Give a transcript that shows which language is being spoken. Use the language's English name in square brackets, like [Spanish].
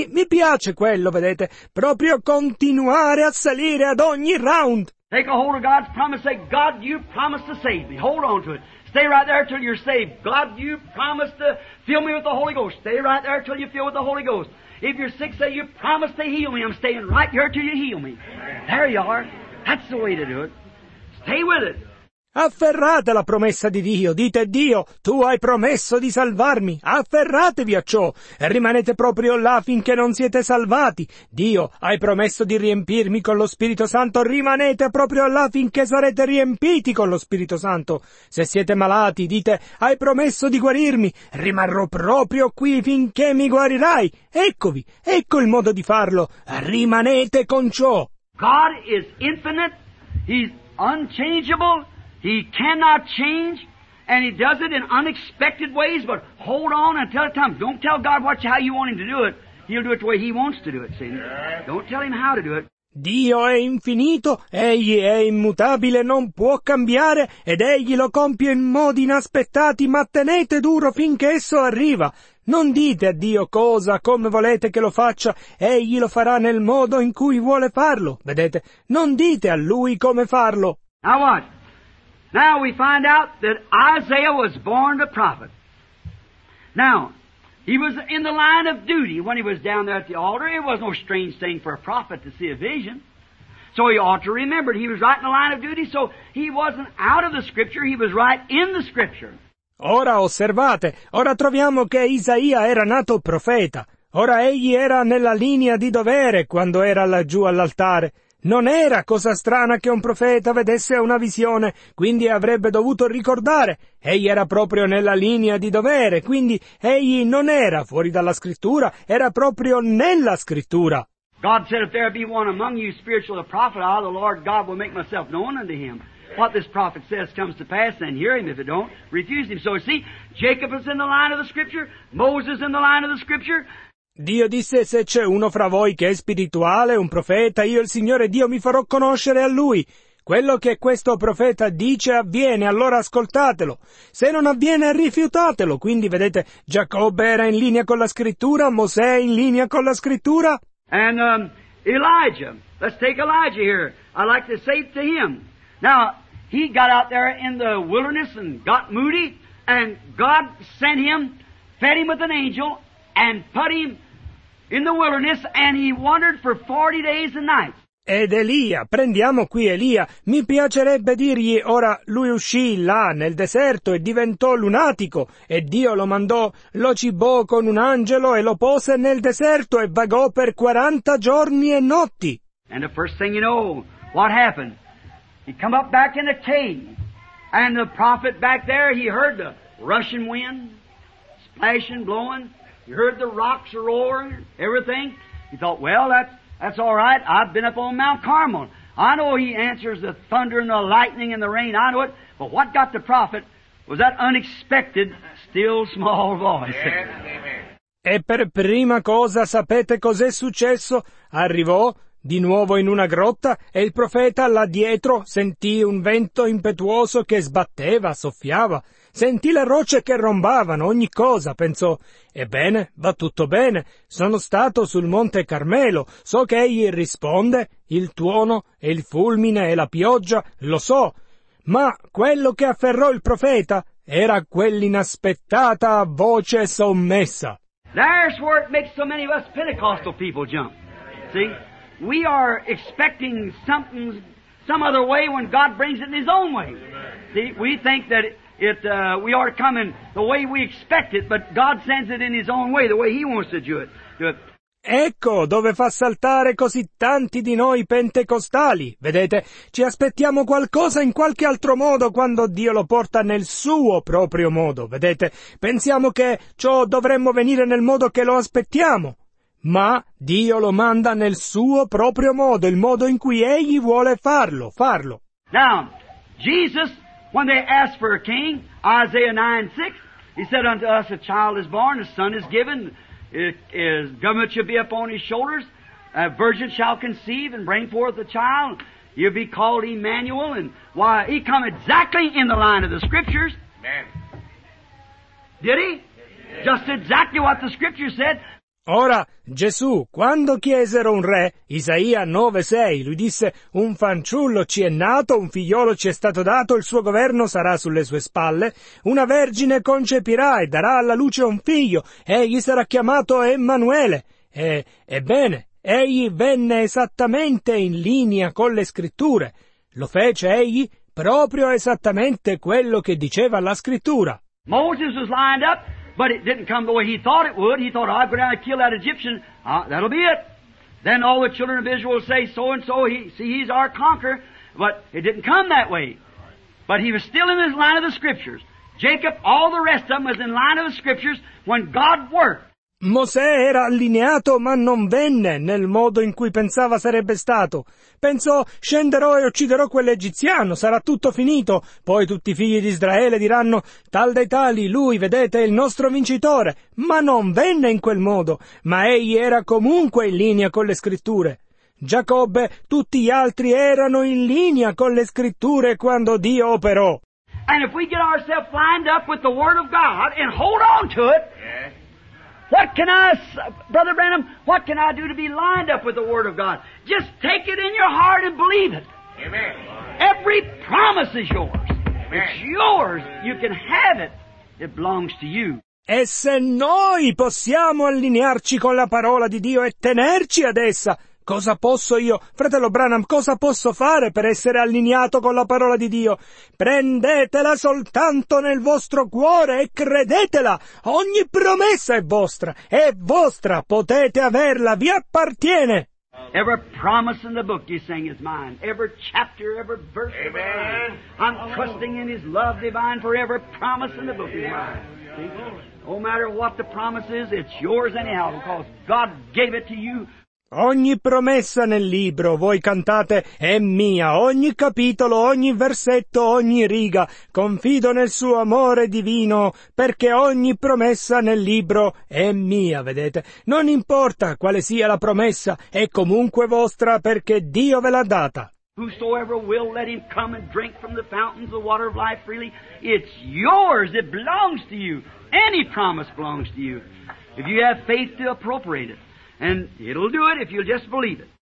[Italian] Mi piace quello, vedete, proprio continuare a salire ad ogni round. [English] Take a hold of God's promise, say, God, you promised to save me. Hold on to it. Stay right there till you're saved. God, you promised to fill me with the Holy Ghost. Stay right there till you're filled with the Holy Ghost. If you're sick, say, you promised to heal me. I'm staying right here till you heal me. There you are. That's the way to do it. Stay with it. [Italian] Afferrate la promessa di Dio, dite Dio, tu hai promesso di salvarmi, afferratevi a ciò e rimanete proprio là finché non siete salvati. Dio, hai promesso di riempirmi con lo Spirito Santo, rimanete proprio là finché sarete riempiti con lo Spirito Santo. Se siete malati, dite, hai promesso di guarirmi, rimarrò proprio qui finché mi guarirai. Eccovi, ecco il modo di farlo, rimanete con ciò. [English] God is infinite, He's unchangeable. He cannot change, and He does it in unexpected ways, but hold on until the time. Don't tell God how you want Him to do it. He'll do it the way He wants to do it, see? Don't tell Him how to do it. [Italian] Dio è infinito, Egli è immutabile, non può cambiare, ed Egli lo compie in modi inaspettati, ma tenete duro finché esso arriva. Non dite a Dio cosa, come volete che lo faccia, Egli lo farà nel modo in cui vuole farlo, vedete? Non dite a Lui come farlo. [English] Now what? Now we find out that Isaiah was born a prophet. Now, he was in the line of duty when he was down there at the altar. It was no strange thing for a prophet to see a vision. So he ought to remember it. He was right in the line of duty, so he wasn't out of the Scripture. He was right in the Scripture. [Italian] Ora osservate, ora troviamo che Isaia era nato profeta. Ora egli era nella linea di dovere quando era laggiù all'altare. Non era cosa strana che un profeta vedesse una visione, quindi avrebbe dovuto ricordare. Egli era proprio nella linea di dovere, quindi egli non era fuori dalla Scrittura, era proprio nella Scrittura. [English] God said, if there be one among you spiritual, a prophet, I, the Lord God, will make myself known unto him. What this prophet says comes to pass, then hear him. If it don't, refuse him. So see, Jacob is in the line of the Scripture, Moses in the line of the Scripture. [Italian] Dio disse, se c'è uno fra voi che è spirituale, un profeta, io il Signore Dio mi farò conoscere a lui. Quello che questo profeta dice avviene, allora ascoltatelo. Se non avviene, rifiutatelo. Quindi, vedete, Giacobbe era in linea con la Scrittura, Mosè in linea con la Scrittura. [English] And Elijah, let's take Elijah here. I like to say to him. Now, he got out there in the wilderness and got moody, and God sent him, fed him with an angel, and put him in the wilderness, and he wandered for 40 days and nights. [Italian] Ed Elia, prendiamo qui Elia, mi piacerebbe dirgli, ora lui uscì là nel deserto e diventò lunatico, e Dio lo mandò, lo cibò con un angelo e lo pose nel deserto e vagò per 40 giorni e notti. [English] And the first thing you know, what happened? He come up back in a cave, and the prophet back there, he heard the rushing wind, splashing, blowing. You heard the rocks roar, everything. He thought, well, that's all right. I've been up on Mount Carmel. I know he answers the thunder and the lightning and the rain. I know it. But what got the prophet was that unexpected, still small voice. Yes, amen. [Italian] E per prima cosa sapete cos'è successo? Arrivò di nuovo in una grotta e il profeta là dietro sentì un vento impetuoso che sbatteva, soffiava. Sentì le rocce che rombavano, ogni cosa, pensò, ebbene, va tutto bene, sono stato sul Monte Carmelo, so che egli risponde, il tuono e il fulmine e la pioggia, lo so, ma quello che afferrò il profeta era quell'inaspettata voce sommessa. [English] That's what makes so many of us Pentecostal people jump, see? We are expecting something, some other way when God brings it in His own way. See, we think that we ought to come in the way we expect it, but God sends it in His own way, the way He wants to do it. [Italian] Ecco dove fa saltare così tanti di noi pentecostali. Vedete, ci aspettiamo qualcosa in qualche altro modo quando Dio lo porta nel suo proprio modo. Vedete, pensiamo che ciò dovremmo venire nel modo che lo aspettiamo. Ma Dio lo manda nel suo proprio modo, il modo in cui Egli vuole farlo. [English] Now, Jesus, when they asked for a king, Isaiah 9:6, he said unto us, a child is born, a son is given, his government shall be upon his shoulders, a virgin shall conceive and bring forth a child, he'll be called Emmanuel, and why, he come exactly in the line of the Scriptures. Amen. Did he? Yes. Just exactly what the Scripture said. [Italian] Ora, Gesù, quando chiesero un re, Isaia 9:6, lui disse, un fanciullo ci è nato, un figliolo ci è stato dato, il suo governo sarà sulle sue spalle, una vergine concepirà e darà alla luce un figlio, egli sarà chiamato Emmanuele. Ebbene, egli venne esattamente in linea con le scritture. Lo fece egli proprio esattamente quello che diceva la scrittura. [English] Moses was lined up. But it didn't come the way he thought it would. He thought, I'll go down and kill that Egyptian. That'll be it. Then all the children of Israel will say, so and so, he's our conqueror. But it didn't come that way. But he was still in his line of the Scriptures. Jacob, all the rest of them was in line of the Scriptures when God worked. [Italian] Mosè era allineato, ma non venne nel modo in cui pensava sarebbe stato. Pensò, scenderò e ucciderò quell'egiziano, sarà tutto finito. Poi tutti i figli di Israele diranno, tal dei tali, lui, vedete, è il nostro vincitore. Ma non venne in quel modo, ma egli era comunque in linea con le scritture. Giacobbe, tutti gli altri erano in linea con le scritture quando Dio operò. [English] And if we get ourselves lined up with the word of God and hold on to it, yeah. What can I, Brother Branham, what can I do to be lined up with the Word of God? Just take it in your heart and believe it. Amen. Every promise is yours. Amen. It's yours. You can have it. It belongs to you. [Italian] E se noi possiamo allinearci con la parola di Dio e tenerci ad essa, cosa posso io, fratello Branham, cosa posso fare per essere allineato con la parola di Dio? Prendetela soltanto nel vostro cuore e credetela. Ogni promessa è vostra. È vostra. Potete averla. Vi appartiene. [English] Every promise in the book you sing is mine. Every chapter, every verse. Amen. Of I'm trusting in His love divine for every promise in the book is mine. No matter what the promise is, it's yours anyhow because God gave it to you. [Italian] Ogni promessa nel libro, voi cantate, è mia. Ogni capitolo, ogni versetto, ogni riga. Confido nel suo amore divino, perché ogni promessa nel libro è mia, vedete? Non importa quale sia la promessa, è comunque vostra, perché Dio ve l'ha data. [English] Whosoever will, let him come and drink from the fountains of the water of life freely. It's yours, it belongs to you. Any promise belongs to you. If you have faith to appropriate it. And it'll do it if you'll just believe it.